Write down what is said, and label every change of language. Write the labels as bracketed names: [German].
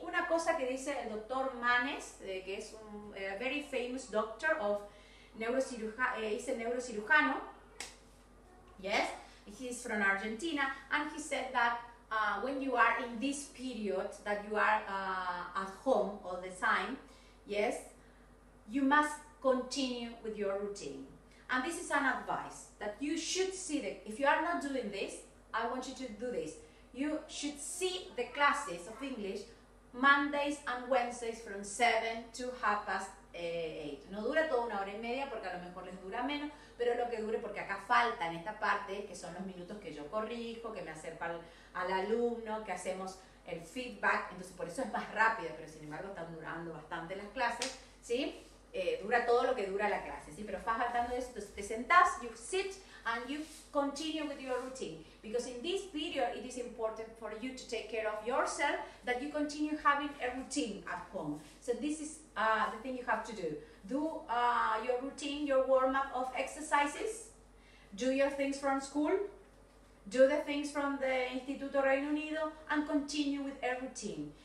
[Spanish] Una cosa que dice el doctor Manes, que es un [English] very famous doctor of [Spanish] es el neurocirujano, [English] yes, he's from Argentina, and he said that when you are in this period, that you are at home all the time, yes, you must continue with your routine. And this is an advice, that you should see that if you are not doing this, I want you to do this. You should see the classes of English Mondays and Wednesdays from 7 to 8:30. [Spanish] No dura toda una hora y media porque a lo mejor les dura menos, pero lo que dure, porque acá falta en esta parte, que son los minutos que yo corrijo, que me acerco al alumno, que hacemos el feedback, entonces por eso es más rápido, pero sin embargo están durando bastante las clases, ¿sí? Dura todo lo que dura la clase, ¿sí? Pero vas faltando eso, entonces te sentás, [English] you sit, and you continue with your routine. Because in this period, it is important for you to take care of yourself, that you continue having a routine at home. So this is the thing you have to do. Do your routine, your warm-up of exercises. Do your things from school. Do the things from the Instituto Reino Unido, and continue with a routine.